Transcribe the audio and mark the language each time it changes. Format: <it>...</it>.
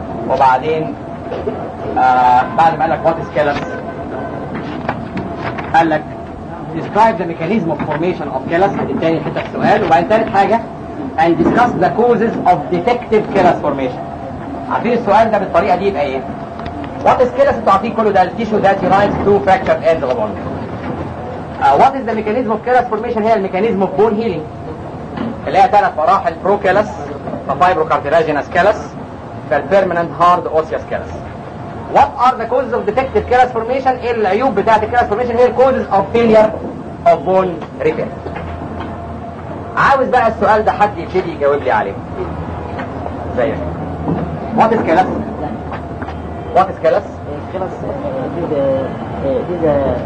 <en>وبعدين بعد ما قالك what is callus, قالك describe the mechanism of formation of callus, التاني حتى السؤال. وبعدين تالت حاجة and discuss the causes of defective callus formation.</en> <ar>عارفين السؤال ده بالطريقة دي يبقى ايه؟ what is callus, انتو عارفين كله ده ال tissue that unites two fractured ends of a bone.</ar> <en>What is the mechanism of callus formation, هي الميكانيزم of bone healing اللي هي تلات مراحل, pro callus, fibrocartilaginous callus, permanent hard osseous callus. What are the causes of defective callus formation? ايه العيوب بتاعة callus formation؟ هي causes of failure of bone repair.</en> <ar>عاوز بقى السؤال ده حد يبتدي يجاوب لي عليه.</ar> <en>زي what is callus? What is callus?</en> <ar>callus دي ده</ar>